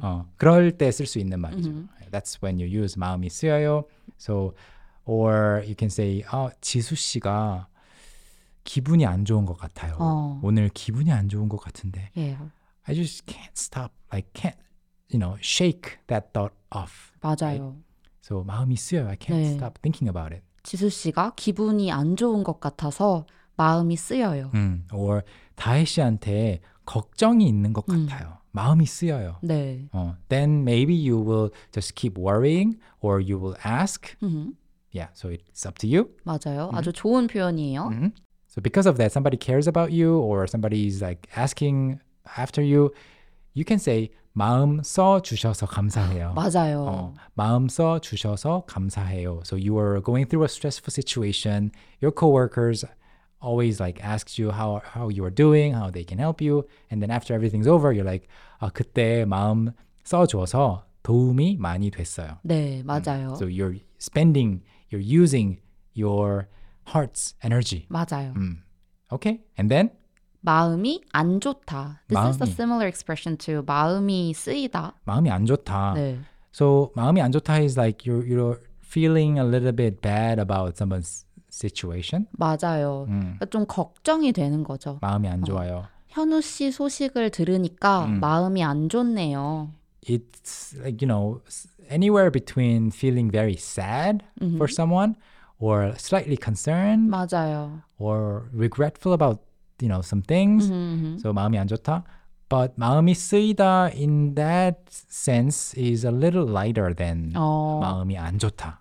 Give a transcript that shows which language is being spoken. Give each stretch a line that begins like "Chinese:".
Korean: 어, 그럴 때 쓸 수 있는 말이죠.
English: Mm-hmm. That's when you use
Korean: 마음이 쓰여요.
English: So, or you can say,
Korean: 아, 지수 씨가 기분이 안 좋은 것 같아요. 어. 오늘 기분이 안 좋은 것 같은데.
English: Yeah. I just can't stop, like can't, you know, shake that thought off.
Korean: 맞아요.
English: Right? So
Korean: 마음이 쓰여요.
English: I can't
Korean: 네.
English: stop thinking about it.
Korean: 지수 씨가 기분이 안 좋은 것 같아서 마음이 쓰여요. Or 다혜 씨한테 걱정이 있는 것 같아요. 마음이 쓰여요. 네.
English: Then maybe you will just keep worrying or you will ask. Yeah, so it's up to you.
Korean: 맞아요. 아주 좋은 표현이에요.
English: So because of that, somebody cares about you or somebody is like asking after you, you can say
Korean: 마음 써 주셔서 감사해요. 맞아요. 마음 써 주셔서 감사해요.
English: So you are going through a stressful situation. Your coworkers always like asks you how you are doing, how they can help you, and then after everything's over, you're like,
Korean: 아, 그때 마음 써줘서 도움이 많이 됐어요. 네, 맞아요.
English: So you're spending, you're using your heart's energy.
Korean: 맞아요.
English: Okay, and then
Korean: 마음이 안 좋다.
English: This 마음이. Is a similar expression to
Korean: 마음이 쓰이다. 마음이 안 좋다. 네.
English: So
Korean: 마음이 안 좋다
English: is like you're feeling a little bit bad about someone's. Situation?
Korean: 맞아요. 좀 걱정이 되는 거죠. 마음이 안 좋아요. 현우 씨 소식을 들으니까 마음이 안 좋네요.
English: It's like, you know, anywhere between feeling very sad for someone or slightly concerned.
Korean: 맞아요.
English: Or regretful about, you know, some things. Mm-hmm, mm-hmm. So
Korean: 마음이 안 좋다.
English: But
Korean: 마음이 쓰이다
English: in that sense is a little lighter than
Korean: 마음이 안 좋다.